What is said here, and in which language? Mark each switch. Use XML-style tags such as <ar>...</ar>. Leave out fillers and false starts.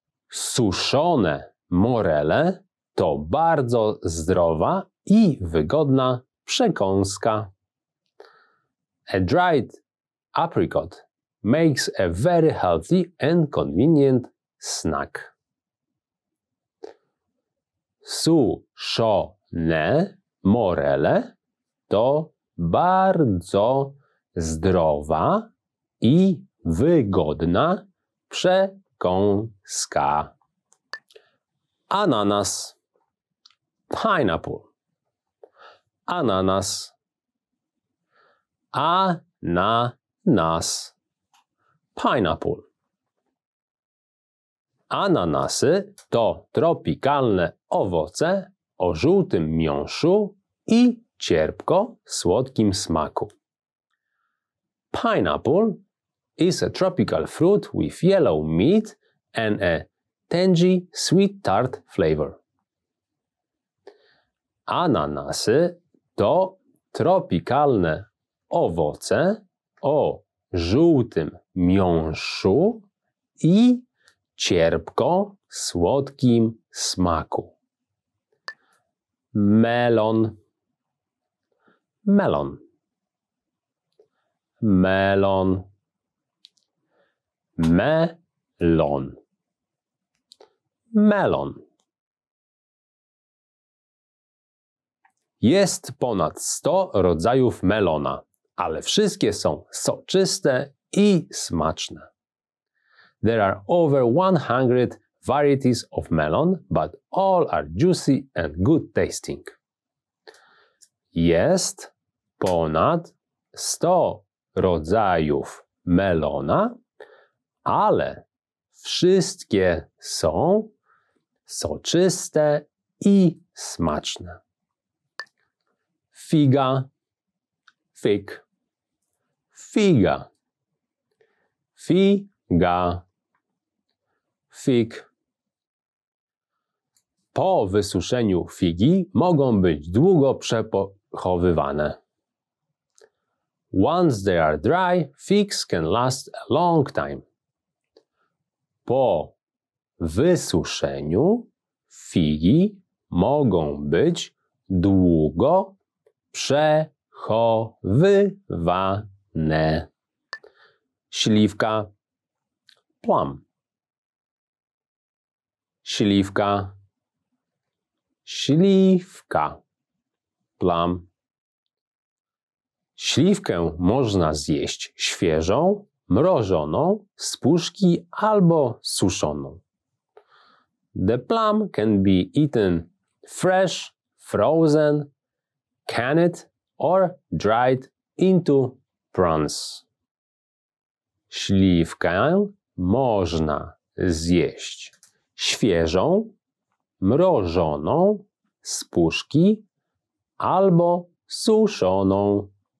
<pl>Suszone morele to bardzo zdrowa i wygodna przekąska.</pl> <en>A dried apricot makes a very healthy and convenient snack.</en> <pl>Suszone morele to bardzo zdrowa i wygodna przekąska. Ananas.</pl> <en>Pineapple.</en> <pl>Ananas. Ananas.</pl> <en>Pineapple.</en> <pl>Ananasy to tropikalne owoce o żółtym miąższu i cierpko słodkim smaku.</pl> <en>Pineapple is a tropical fruit with yellow meat and a tangy sweet tart flavor.</en> <pl>Ananasy to tropikalne owoce o żółtym miąższu i cierpko słodkim smaku. Melon. Melon. Melon. Melon. Melon. Jest ponad 100 rodzajów melona, ale wszystkie są soczyste i smaczne.</pl> <en>There are over 100 varieties of melon, but all are juicy and good tasting.</en> <pl>Jest ponad 100 rodzajów melona, ale wszystkie są soczyste i smaczne. Figa.</pl> <en>Fig.</en> <pl>Figa. Figa.</pl> <en>Fig.</en> <pl>Po wysuszeniu figi mogą być długo przechowywane.</pl> <en>Once they are dry, figs can last a long time.</en> <pl>Po wysuszeniu figi mogą być długo przechowywane. Śliwka.</pl> <en>Plum.</en> <pl>Śliwka. Śliwka.</pl> <en>Plum.</en> <pl>Śliwkę można zjeść świeżą, mrożoną, z puszki albo suszoną.</pl> <en>The plum can be eaten fresh, frozen, canned or dried into prunes.</en> <pl>Śliwkę można zjeść świeżą, mrożoną, z puszki albo suszoną.</pl>